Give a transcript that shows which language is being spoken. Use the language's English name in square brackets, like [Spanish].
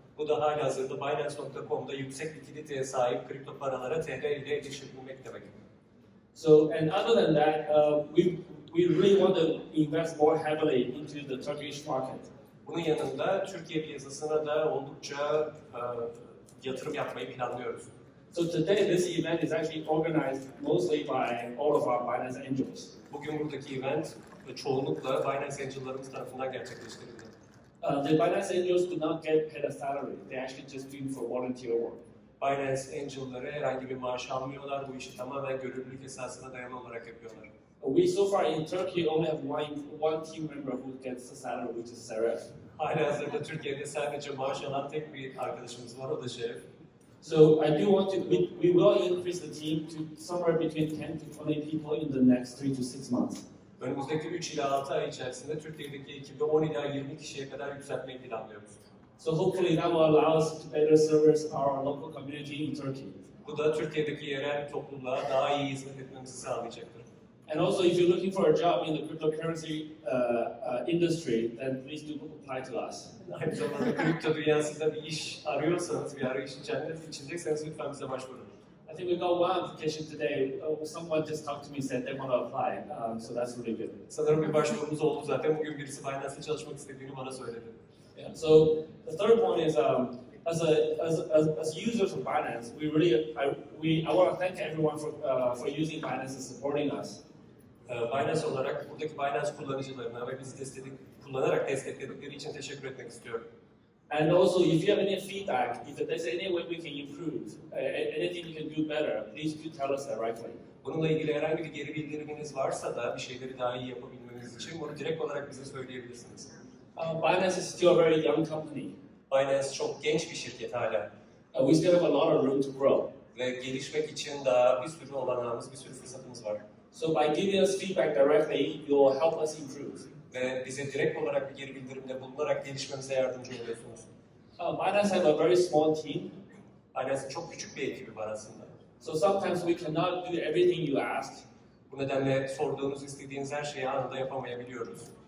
[Turkish] Bu da halihazırda Binance.com'da yüksek likiditeye sahip kripto paralara TL ile erişim bulmak demek. [English] So and other than that, we really want to invest more heavily into the Turkish market. [Turkish] Bunun yanında Türkiye piyasasına da oldukça yatırım yapmayı planlıyoruz. [English] So today this event is actually organized mostly by all of our Binance Angels. [Turkish] Bugün buradaki event çoğunlukla Binance Angel'larımız tarafından gerçekleştirildi. [English] The Binance Angels do not get paid a salary. They actually just do it for volunteer work. [Turkish] Binance Angel'ları herhangi bir maaş almıyorlar. Bu işi tamamen gönüllülük esasına dayalı olarak yapıyorlar. [English] We so far in Turkey only have one team member who gets a salary, which is Seref. [Turkish] Halihazırda Türkiye'de sadece maaş alan tek bir arkadaşımız var, o da Şeref. [English] So I do want to, we will increase the team to somewhere between 10 to 20 people in the next 3 to 6 months. [Turkish] Önümüzdeki 3 ila 6 ay içerisinde Türkiye'deki ekibi 10 ila 20 kişiye kadar yükseltmeyi planlıyoruz. [English] So hopefully that will allow us to better service our local community in Turkey. [Turkish] Bu da Türkiye'deki yerel topluluğa daha iyi hizmet etmemizi sağlayacaktır. [English] And also if you're looking for a job in the cryptocurrency industry, then please do apply to us. [Turkish] Aynı zamanda kripto dünyasında bir iş arıyorsanız, bir arayış içindeyseniz lütfen bize başvurun. [English] I think we got one application today. Someone just talked to me and said they want to apply. So that's really good. [Turkish] Sanırım bir başvurumuz oldu zaten. Bugün birisi Binance'da çalışmak istediğini bana söyledi. [English] Yeah. So the third point is as users of Binance, I want to thank everyone for using Binance and supporting us. [Turkish] Binance olarak buradaki Binance kullanıcılarına ve bizi kullanarak destekledikleri için teşekkür etmek istiyorum. [English] And also if you have any feedback, if there's any way we can improve, anything you can do better, please do tell us directly. [Turkish] Bununla ilgili herhangi bir geri bildiriminiz varsa da bir şeyleri daha iyi yapabilmeniz için bunu direkt olarak bize söyleyebilirsiniz. [English] Binance is still a very young company. [Turkish] Binance çok genç bir şirket hala. [English] We still have a lot of room to grow. [Turkish] Ve gelişmek için daha bir sürü olanağımız, bir sürü fırsatımız var. [English] So by giving us feedback directly, you will help us improve. [Turkish] Ve bize direkt olarak bir geri bildirimde bulunarak gelişmemize yardımcı oluyorsunuz. [English] Binance has a very small team. [Turkish] Binance'ın çok küçük bir ekibi var aslında. [English] So sometimes we cannot do everything you ask. [Turkish] Bu nedenle sorduğunuz istediğiniz her şeyi anında yapamayabiliyoruz.